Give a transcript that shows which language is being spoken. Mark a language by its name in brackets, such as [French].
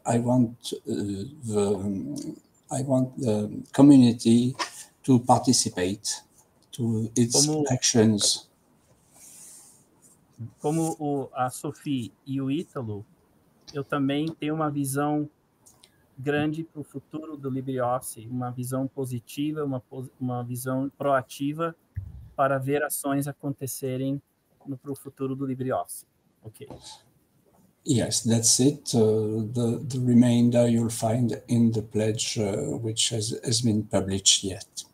[English] I want the community to participate to its actions. [Portuguese] Como a Sophie e o Italo, eu também tenho uma visão grande para o futuro do LibreOffice, uma visão positiva, uma visão proativa para ver ações acontecerem no pro futuro do LibreOffice. [English] Okay. Yes, that's it. The remainder you'll find in the pledge which has been published yet.